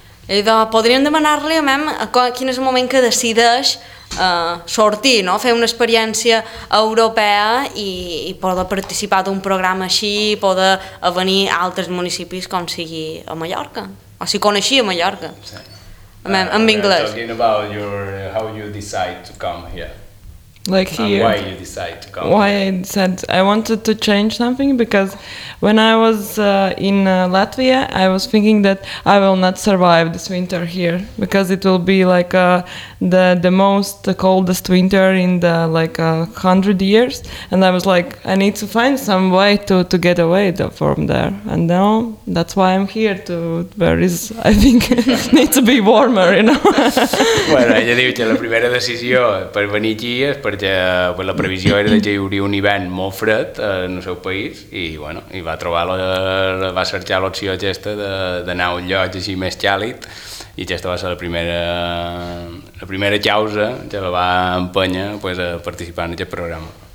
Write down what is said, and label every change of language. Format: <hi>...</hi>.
<ca>Idò, podríem demanar-li a mem quin és el moment que decideix sortir, no? Fer una experiència europea i poder participar d'un programa així i poder venir a altres municipis com sigui a Mallorca, o si coneixia Mallorca, sí. Mem, en anglès.</ca> <en>Talking about your, how you decide to come here. Like here. And why you decide to come why here. Why I said I wanted to change something, because when I was in Latvia, I was thinking that I will not survive this winter here, because it will be like the most coldest winter in the like 100 years, and I was like, I need to find some way to get away from there, and now that's why I'm here, to where is, I think, need to be warmer, you know.</en> <ca>Bueno, ella diu que la primera decisió per venir aquí és perquè pues, la previsió era que hi hauria un hivern molt fred en el seu país, i bueno, i va trobar, va cercar l'opció aquesta d'anar a un lloc així més càlid, i aquesta va ser la primera causa que la va empènyer pues, a participar en aquest programa.</ca>